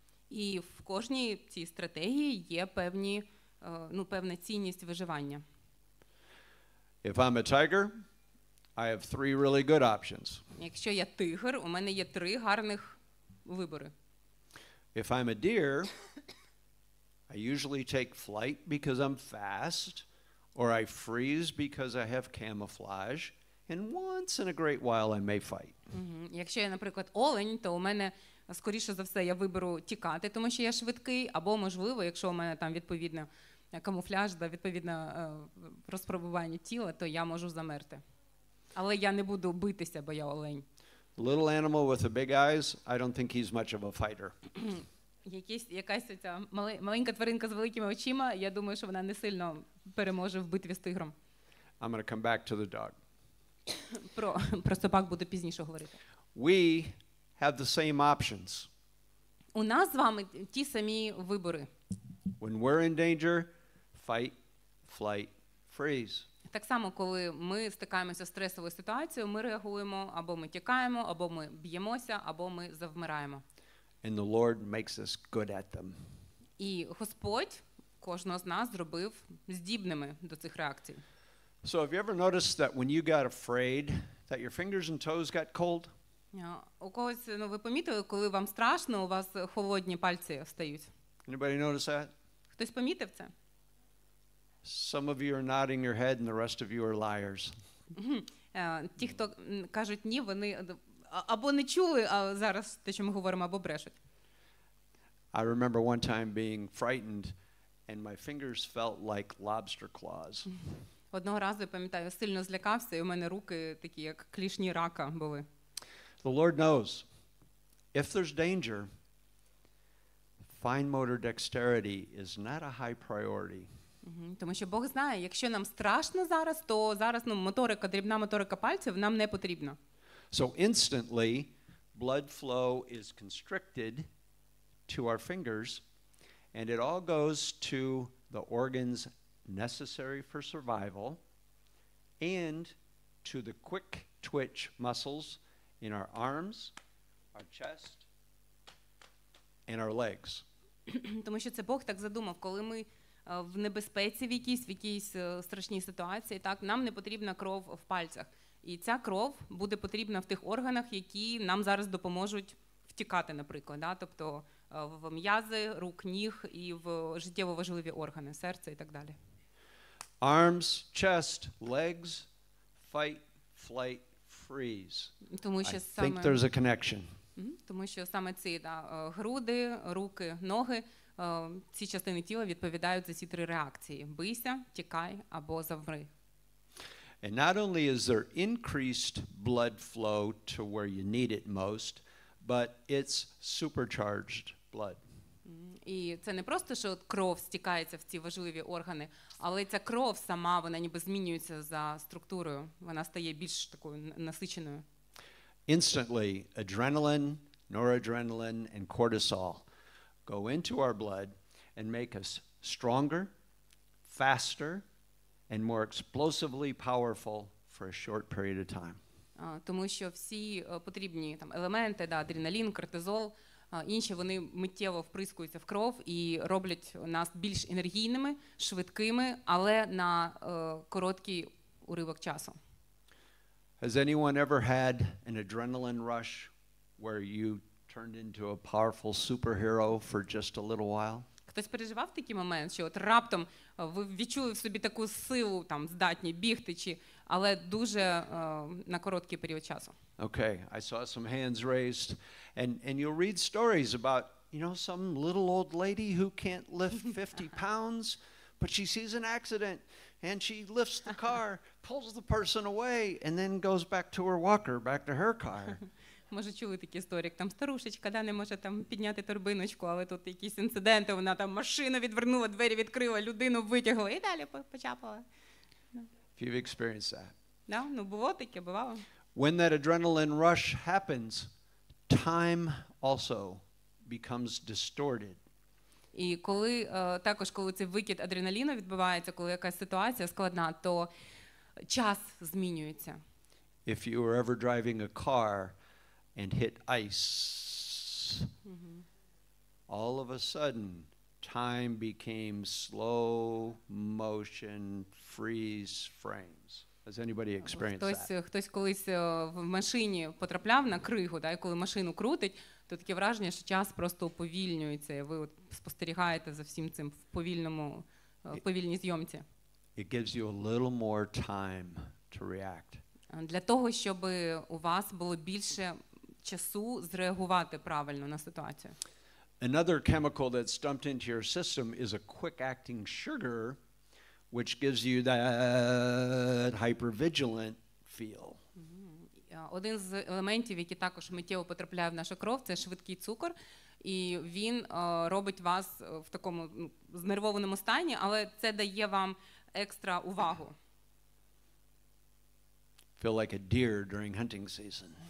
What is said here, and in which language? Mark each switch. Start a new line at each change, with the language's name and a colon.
Ukrainian: І в кожній цій стратегії є певні, ну, певна цінність виживання.
English: If I'm a tiger, I have three really good options.
Ukrainian: Якщо я тигр, у мене є три гарних вибори.
English: If I'm a deer, I usually take flight because I'm fast, or I freeze because I have camouflage, and once in a great while I may fight.
Ukrainian: Якщо я, наприклад, олень, то у мене, скоріше за все, я виберу тікати, тому що я швидкий, або, можливо, якщо у мене там відповідне камуфляж, да, відповідне розпробування тіла, то я можу замерти. Але я не буду битися, бо я олень.
English: Little animal with the big eyes, I don't think he's much of a fighter.
Ukrainian: Якась ця маленька тваринка з великими очима, я думаю, що вона не сильно переможе в битві з тигром.
English: I'm going to come back to the dog.
Ukrainian: Про собак буду пізніше говорити.
English: We have the same options.
Ukrainian: У нас з вами ті самі вибори.
English: When we're in danger, fight, flight, freeze.
Ukrainian: Так само, коли ми стикаємося з стресовою ситуацією, ми реагуємо, або ми тікаємо, або ми б'ємося, або ми завмираємо.
English: And the Lord makes us good at them.
Ukrainian: І Господь кожного з нас зробив здібними до цих реакцій.
English: So have you ever noticed that when you got afraid, that your fingers and toes got cold?
Ukrainian: У когось, ну, ви помітили, коли вам страшно, у вас холодні пальці стають?
English: Anybody notice that?
Ukrainian: Хтось помітив це?
English: Some of you are nodding your head and the rest of you are liars.
Ukrainian: Ті, хто кажуть ні, вони або не чули, а зараз те, що ми говоримо, або брешуть.
English: I remember one time being frightened and my fingers felt like lobster claws.
Ukrainian: Одного разу, я пам'ятаю, сильно злякався, і у мене руки такі, як клішні рака були.
English: The Lord knows. If there's danger, fine motor dexterity is not a high priority.
Ukrainian: Тому що Бог знає, якщо нам страшно зараз, то зараз, ну, моторика, дрібна моторика пальців нам не потрібна.
English: So instantly, blood flow is constricted to our fingers, and it all goes to the organs necessary for survival and to the quick twitch muscles in our arms, our chest, and our legs.
Ukrainian: Тому що це Бог так задумав, коли ми в небезпеці в якійсь страшній ситуації, так, нам не потрібна кров в пальцях. І ця кров буде потрібна в тих органах, які нам зараз допоможуть втікати, наприклад, да? Тобто в м'язи, рук, ніг і в життєво важливі органи, серце і так далі.
English: Arms, chest, legs, fight, flight, freeze.
Ukrainian: Тому що
English: I think there's a connection.
Ukrainian: Тому що саме ці, да, груди, руки, ноги, ці частини тіла відповідають за ці три реакції: бийся, тікай або завмри.
English: And not only is there increased blood flow to where you need it most, but it's supercharged blood.
Ukrainian: І це не просто, що кров стікається в ці важливі органи, але ця кров сама, вона ніби змінюється за структурою, вона стає більш такою насиченою.
English: Instantly, adrenaline, noradrenaline, and cortisol go into our blood and make us stronger, faster, and more explosively powerful for a short period of time.
Ukrainian: Тому що всі потрібні там елементи, да, адреналін, кортизол, інші, вони миттєво вприскуються в кров і роблять нас більш енергійними, швидкими, але на короткий уривок часу.
English: Has anyone ever had an adrenaline rush where you turned into a powerful superhero for just a little while?
Ukrainian: Хтось переживав такий момент, що от раптом ви відчули в собі таку силу, там, здатні бігти, чи, але дуже на короткий період часу.
English: Okay, I saw some hands raised. And you'll read stories about, You know, some little old lady who can't lift 50 pounds, but she sees an accident and she lifts the car, pulls the person away, and then goes back to her walker, back to her car.
Ukrainian: Може, чули такі історії, як там старушечка, да, не може там підняти торбиночку, але тут якісь інциденти, вона там машину відвернула, двері відкрила, людину витягла і далі почапала.
English: If you've experienced that.
Ukrainian: Да, ну було таке, бувало.
English: When that adrenaline rush happens, time also becomes distorted.
Ukrainian: І коли також, коли цей викид адреналіну відбувається, коли якась ситуація складна, то час змінюється.
English: If you were ever driving a car and hit ice, all of a sudden, time became slow motion freeze frames. Has anybody experienced that?
Ukrainian: Хтось колись в машині потрапляв на кригу, да, і коли машину крутить, то таке враження, що час просто уповільнюється, і ви от спостерігаєте за всім цим в повільній зйомці.
English: It gives you a little more time to react.
Ukrainian: Для того, щоб у вас було більше часу зреагувати правильно на ситуацію.
English: Another chemical that's dumped into your system is a quick-acting sugar, which gives you that hypervigilant feel.
Ukrainian: Один з елементів, який також миттєво потрапляє в нашу кров, це швидкий цукор, і він робить вас в такому знервованому стані, але це дає вам екстра увагу.
English: Feel like a deer during hunting season.